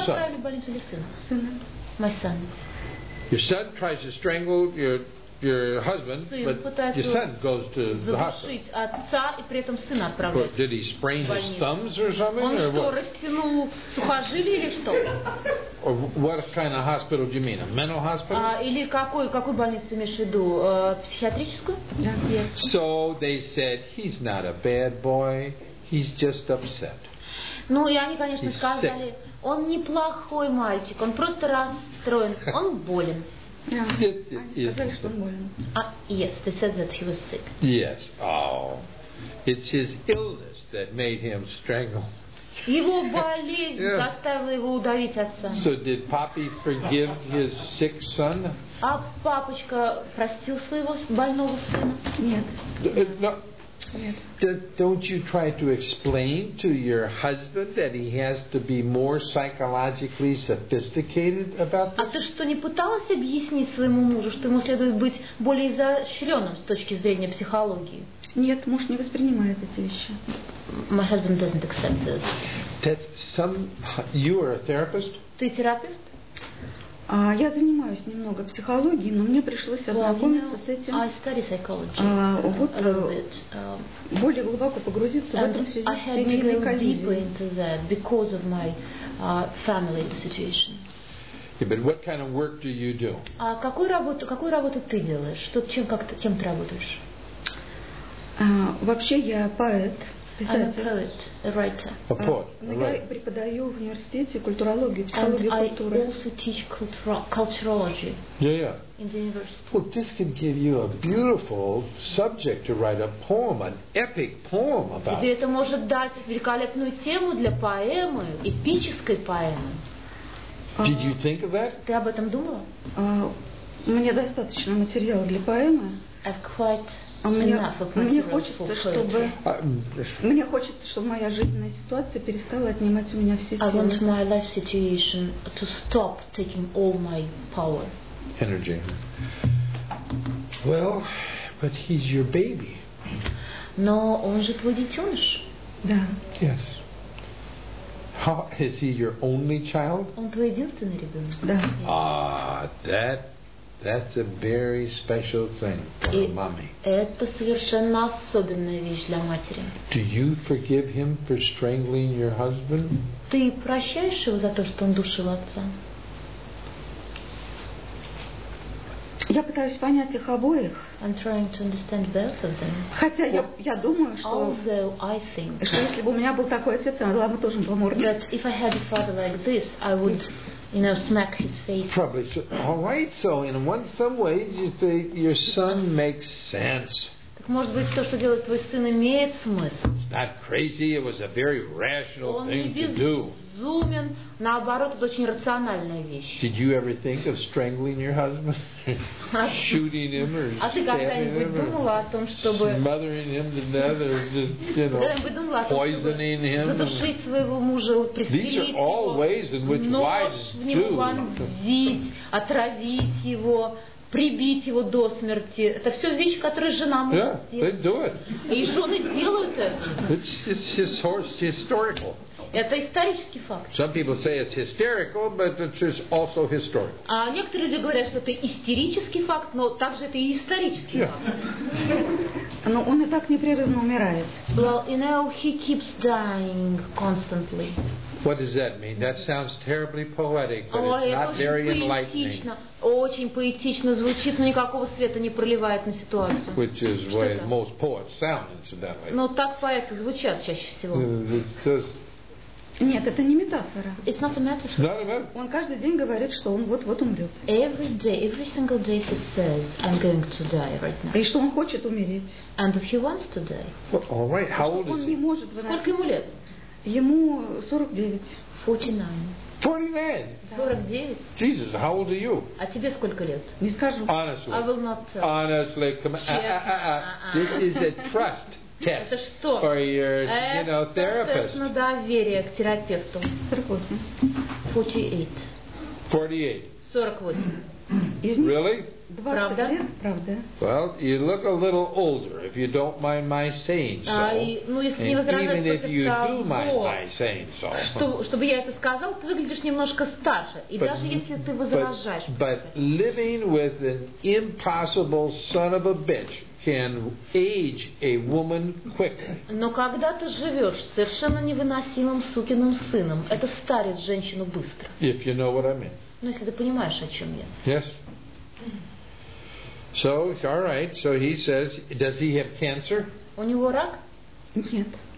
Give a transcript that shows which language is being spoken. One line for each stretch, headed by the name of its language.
Russian: Отправили в больницу или сына? Сына.
English: My son. Your son tries to strangle your husband,
Russian: сын,
English: but your son goes to the hospital.
Russian: Задушить отца и при этом сына отправляют.
English: Or did he sprain his thumbs or something?
Russian: Он
English: or
Russian: что,
English: what?
Russian: Растянул сухожилие или что?
English: Or what kind of hospital do you mean? A mental hospital?
Russian: Или какой больницу ты имеешь в виду? Психиатрическую?
English: Yes. So they said he's not a bad boy. He's just upset.
Russian: Ну и они, конечно, сказали, он неплохой мальчик. Он просто расстроен. Он болен.
English: Yes, they said that he was sick. Yes. Oh, it's his illness that made him strangle.
Russian: Его болезнь заставила его удавить отца.
English: So did Poppy forgive his sick son?
Russian: А папочка простил своего больного сына? Нет. Нет.
English: Don't you try to explain to your husband that he has to be more psychologically sophisticated about this?
Russian: А ты что, не пыталась объяснить своему мужу, что ему следует быть более изощренным с точки зрения психологии? Нет, муж не воспринимает эти вещи.
English: My husband doesn't accept this. That some, you are a therapist?
Russian: Ты терапевт? Я занимаюсь немного психологией, но мне пришлось ознакомиться с этим.
English: I study psychology.
Russian: Более глубоко погрузиться в этом в связи с семейной коллизией.
English: I had to go deeper into that because of my family situation. Yeah, but what kind of work do you do?
Russian: А какую работу ты делаешь? Что, чем ты работаешь? Вообще я поэт, писатель. Я преподаю в университете культурологию, психологию культуры.
English: And I also teach culturology. Yeah, yeah. In the university. Well, this can give you a beautiful subject to write a poem, an epic poem about.
Russian: Тебе это может дать великолепную тему для поэмы, эпической поэмы.
English: Did you think of that?
Russian: Ты об этом думала? Мне достаточно материала для поэмы.
English: I've quite
Russian: мне хочется, чтобы моя жизненная ситуация перестала отнимать у меня все силы.
English: I want my life situation to stop taking all my power. Energy. Well, but he's your baby.
Russian: Но он же твой детеныш. Да.
English: Yes. How, is he your only child?
Russian: Он твой единственный ребенок. Да.
English: That's a very special thing for a mommy.
Russian: Это совершенно особенная вещь для матери.
English: Do you forgive him for strangling your husband?
Russian: Ты прощаешь его за то, что он душил отца? Я пытаюсь понять их обоих.
English: I'm trying to understand both of them.
Russian: Хотя я думаю, что если бы у меня был такой отец, я дала бы тоже по морде.
English: That if I had a father like this, I would, you know, smack his face. Probably. All right. So in some way, you say your son makes sense.
Russian: Так может быть то, что делает твой сын, имеет смысл?
English: It's not crazy. It was a very rational thing to do.
Russian: Зумен, наоборот, это очень рациональная вещь.
English: Did you ever think of strangling your husband, shooting him, or stabbing him, smothering him to death, or just, you know, poisoning him?
Russian: Задушить своего мужа, пристрелить его.
English: These are all ways in which wives do.
Russian: Нож в него вонзить, отравить его. прибить его до смерти. Это все вещи, которые жена может сделать. И жены делают это. Это исторический факт.
English: Some people say it's hysterical, but it's also historical.
Russian: А некоторые люди говорят, что это истерический факт, но также это и исторический факт. Но он и так непрерывно умирает.
English: Well, you know, he keeps dying constantly. What does that mean? That sounds terribly poetic, but it's not very enlightening.
Russian: Очень поэтично звучит, но никакого света не проливает на ситуацию.
English: Which is why most poets sound incidentally.
Russian: Но так поэты звучат чаще всего. Нет, это не метафора.
English: It's not a metaphor.
Russian: Он каждый день говорит, что он вот-вот умрет.
English: Every day, every single day he says, I'm going to die right now.
Russian: И что он хочет умереть.
English: And that he wants to die. All right, how old is he?
Russian: Сколько ему лет? Ему 49. 49. 49? 49.
English: Jesus, how old are you?
Russian: А тебе сколько лет? Не скажу.
English: Honestly. I will not tell. Honestly, come on. This is a trust.
Russian: Это что?
English: For your, you know, therapist.
Russian: Это доверие к терапевту. 48. 48. 48.
English: Really?
Russian: Правда? Правда.
English: Well, you look a little older, if you don't mind my saying so.
Russian: Ну, если не возражаешь,
English: even if you do mind my saying so.
Russian: Чтобы я это сказал, ты выглядишь немножко старше. И даже если ты возражаешь.
English: But living with an impossible son of a bitch can age a woman quickly.
Russian: Но когда ты живешь с совершенно невыносимым сукиным сыном, это старит женщину быстро.
English: If you know what I mean.
Russian: Ну, если ты понимаешь, о чем я.
English: Yes. So, all right. So he says, does he have cancer?
Russian: У него рак? Нет.